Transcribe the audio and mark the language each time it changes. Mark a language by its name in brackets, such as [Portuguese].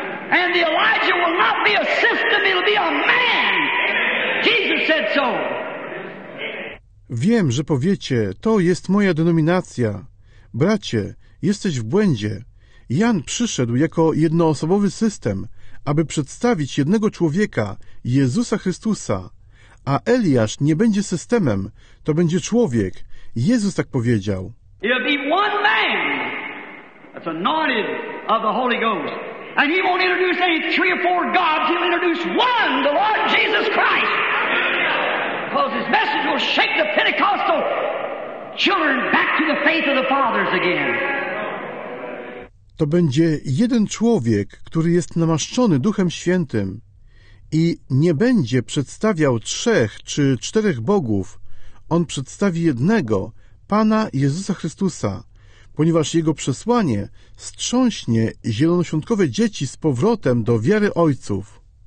[English] And the Elijah will not be a system, it'll be a man. Jesus said so. [Polish] Wiem, że powiecie, to jest moja denominacja. Bracie, jesteś w błędzie. Jan przyszedł jako jednoosobowy system, aby przedstawić jednego człowieka, Jezusa Chrystusa. A Eliasz nie będzie systemem, to będzie człowiek. Jezus tak powiedział. [English] He'll be one man that's anointed of the Holy Ghost. And he won't introduce any three or four gods. He'll introduce one, the Lord Jesus Christ. Because his message will shake the Pentecostal children back to the faith of the fathers again. [Polish] To będzie jeden człowiek, który jest namaszczony Duchem Świętym. i nie będzie przedstawiał trzech czy czterech bogów, on przedstawi jednego, Pana Jezusa Chrystusa, ponieważ jego przesłanie strząśnie zielonosiątkowe dzieci z powrotem do wiary ojców.